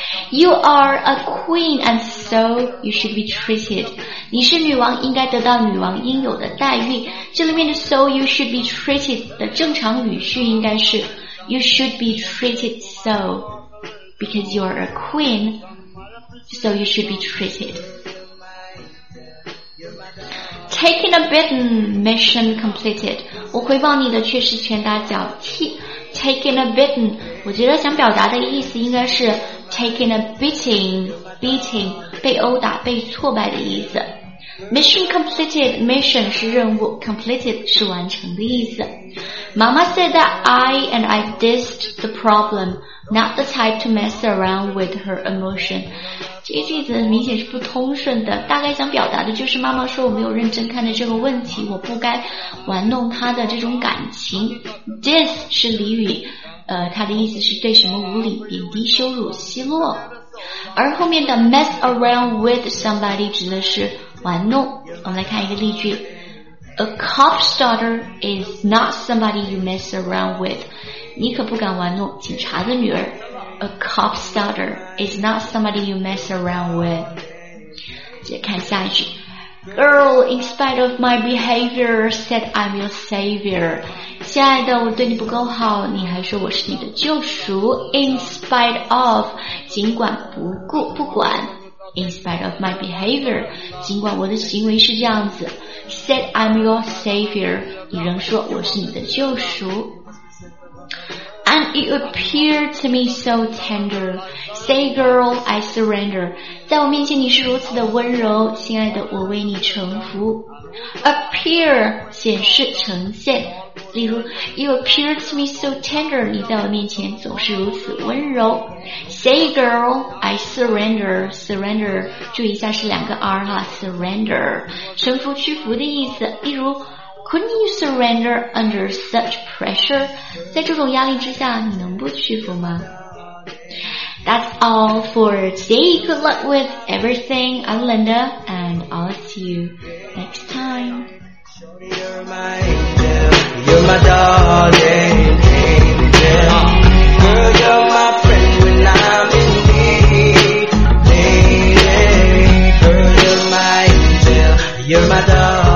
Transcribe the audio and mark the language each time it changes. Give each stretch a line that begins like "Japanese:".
English: You are a queen, and so you should be treated.
Chinese: 你是女王，应该得到女王应有的待遇。这里面的
English: so you should be treated
Chinese: 的正常语序应该是
English: you should be treated so because you are a queen, so you should be treated. Taking a bitten, mission completed.
Chinese: 我回报你的却是拳打脚踢。
English: Taking a bitten,
Chinese: 我觉得想表达的意思应该是
English: taking a beating,
Chinese: 被殴打、被挫败的意思。
English: Mission completed,
Chinese: mission 是任务 ,completed 是完成的意思。
English: Mama said that I dissed the problem, not the type to mess around with her emotion.
Chinese: 这句子明显是不通顺的，大概想表达的就是妈妈说我没有认真看待这个问题，我不该玩弄她的这种感情。 Diss 是俚语，它的意思是对什么无礼、贬低、羞辱、奚落。而后面的
English: mess around with somebody
Chinese: 指的是玩弄。我们来看一个例句
English: ：A cop's daughter is not somebody you mess around with。
Chinese: 你可不敢玩弄警察的女儿。
English: A cop's daughter is not somebody you mess around with.
Chinese: 再看下一句
English: Girl, in spite of my behavior, said I'm your savior.
Chinese: 亲爱的，我对你不够好，你还说我是你的救赎。
English: In spite of,
Chinese: 尽管不顾不管。
English: In spite of my behavior,
Chinese: 尽管我的行为是这样子。
English: Said I'm your savior,
Chinese: 你仍说我是你的救赎。
English: And it appeared to me so tender. Say, girl, I surrender.
Chinese: 在我面前你是如此的温柔，亲爱的，我为你臣服。
English: Appear
Chinese: 显示呈现，例如
English: ，You appear to me so tender.
Chinese: 你在我面前总是如此温柔。
English: Say, girl, I surrender.
Chinese: Surrender 注意一下是两个 R 哈 ，surrender 臣服、屈服的意思。例如。
English: Couldn't you surrender under such pressure?
Chinese: 在这种压力之下，你能不屈服吗？
English: That's all for today. Good luck with everything. I'm Linda, and I'll see you next time. You're my angel. You're my darling angel. Girl, you're my friend when I'm in need. Lady, girl, you're my angel. You're my darling